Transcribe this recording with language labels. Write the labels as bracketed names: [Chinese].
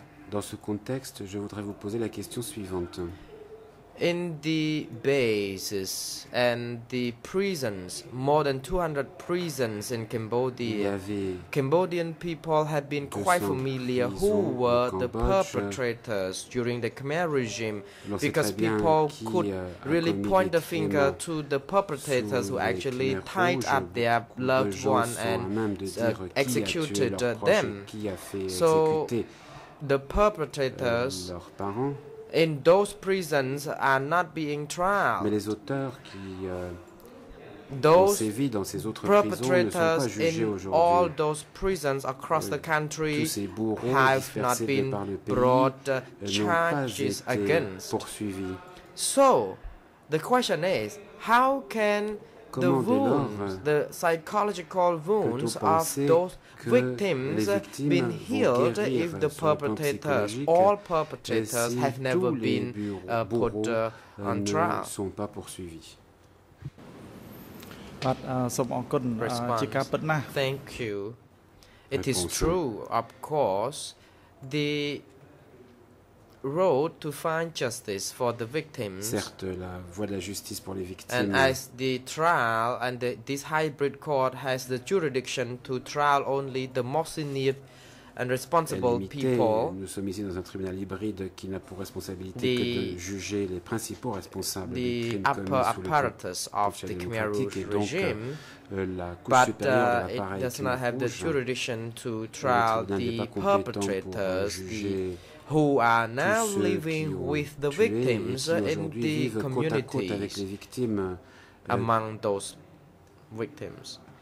[French] Dans ce contexte, je voudrais vous poser la question suivante. [English] In the bases and the prisons, more than 200 prisons in Cambodia, Cambodian people have been quite familiar who were the perpetrators during the Khmer regime because people could really point the finger to the perpetrators who actually tied up their loved one and executed them. So the perpetrators in those prisons are not being trialed. [French] Mais les auteurs qui ont sévi dans ces autres prisons ne sont pas jugés aujourd'hui. [English] All those prisons across the country have not been brought charges against. So, the question is, how can the wounds, the psychological wounds of those victims been healed if the perpetrators, all perpetrators, have never been put on trial? [French] Sont pas poursuivis. [English] But, thank you. It is true, of course, the road to find justice for the victims. [French] Certes, la voie de la justice pour les victimes. [English] And as the trial and this hybrid court has the jurisdiction to trial only the most senior and responsible people. [French] Nous sommes ici dans un tribunal hybride qui n'a pour responsabilité que de juger les principaux responsables des crimes commis sous le [English] apparatus of the Khmer Rouge regime. But it does not have the jurisdiction to trial the perpetrators. Who are now living with the victims in the community among those victims.